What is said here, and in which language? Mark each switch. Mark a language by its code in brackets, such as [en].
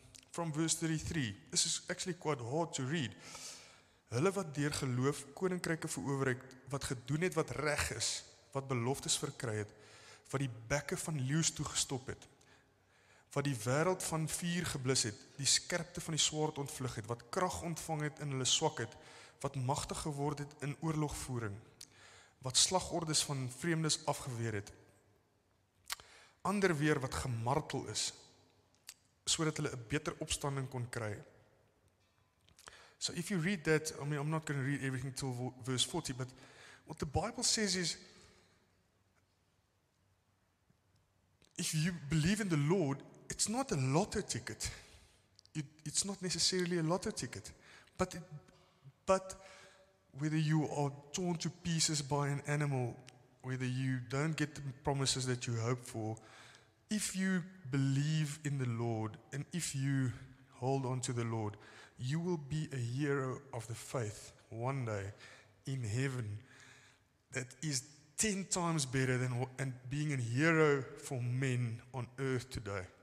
[en] From verse 33, this is actually quite hard to read. [af] Hulle wat deur geloof koninkryke verower het, wat gedoen het wat reg is, wat beloftes verkry het, wat die bekke van leeus toegestop het, wat die wêreld van vuur geblus het, die skerpte van die swaard ontvlug het, wat krag ontvang het in hulle swakheid, wat magtig geword het in oorlogvoering, wat slagordes van vreemdes afgeweer het, ander weer wat gemartel is, sodat hulle 'n beter opstanding kon kry. [en] So if you read that, I mean, I'm not going to read everything till verse 40, but what the Bible says is, if you believe in the Lord, it's not a lottery ticket. It's not necessarily a lottery ticket. But whether you are torn to pieces by an animal, whether you don't get the promises that you hope for, if you believe in the Lord and if you hold on to the Lord, you will be a hero of the faith one day in heaven that is 10 times better than and being a hero for men on earth today.